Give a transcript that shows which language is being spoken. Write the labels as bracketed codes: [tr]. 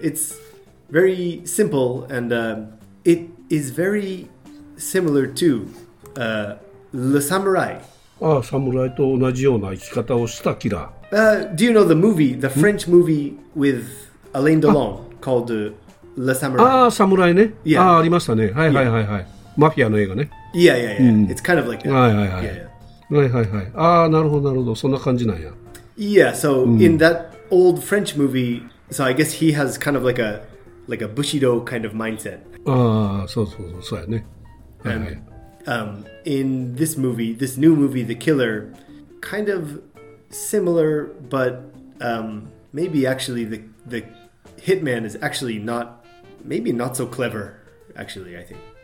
[en] It's very simple and it is very similar to The Samurai. [ja] Ah, Samurai と同じような生き方をしたキラー。 [en] Do you know the movie, the French movie with Alain Delon called The Samurai? [ja] Ah, Samurai, ね。 [en] Yeah. [ja] Ah, ありましたね。はいはいはいはい。マフィアの映画ね。 [en] Yeah, yeah, yeah.、It's kind of like that. [ja] はいはいはい。 [en] Yeah, yeah. [ja] はいはいはい。ああ、なるほどなるほど。そんな感じなんや。 [en] Yeah, so、in that old French movie, so I guess he has kind of like a Bushido kind of mindset. [ja] ああ、そうそうそう、そうやね。 [en] And、 in this movie, this new movie, The Killer, kind of similar, but maybe actually the hitman is actually not, maybe not so clever, actually, I think.